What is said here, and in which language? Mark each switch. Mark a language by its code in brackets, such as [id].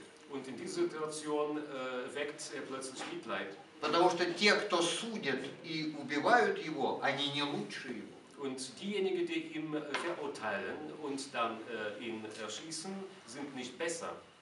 [de] Und in dieser Situation weckt er plötzlich Mitleid. [ru] Потому что те, кто судят и убивают его, они не лучше его. [de] Und diejenigen, die ihn verurteilen und dann ihn erschießen, sind nicht besser.